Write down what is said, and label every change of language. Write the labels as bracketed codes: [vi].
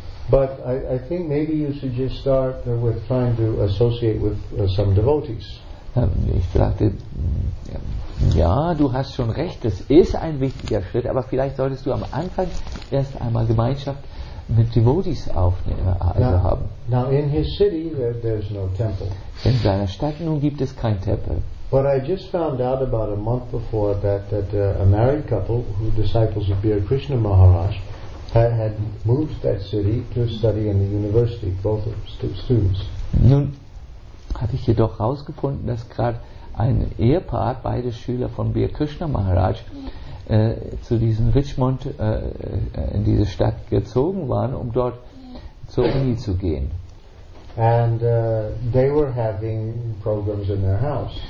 [en] But I think maybe you should just start with trying to associate with some devotees. [de] Ich fragte, ja, du hast schon recht, das ist ein wichtiger Schritt, aber vielleicht solltest du am Anfang erst einmal Gemeinschaft mit Devotees aufnehmen, also [en] now, [de] haben. [en] Now in his city there's no temple. [de] In seiner Stadt nun gibt es kein Tempel. [en] But I just found out about a month before that a married couple, who disciples of Bir Krishna Maharaj, had moved that city to study in the university, both of students. [de] Nun habe ich jedoch herausgefunden, dass gerade ein Ehepaar, beide Schüler von Bir Krishna Maharaj, zu diesem Richmond in diese Stadt gezogen waren, um dort zur Uni zu gehen. [en] And they were having programs in their house.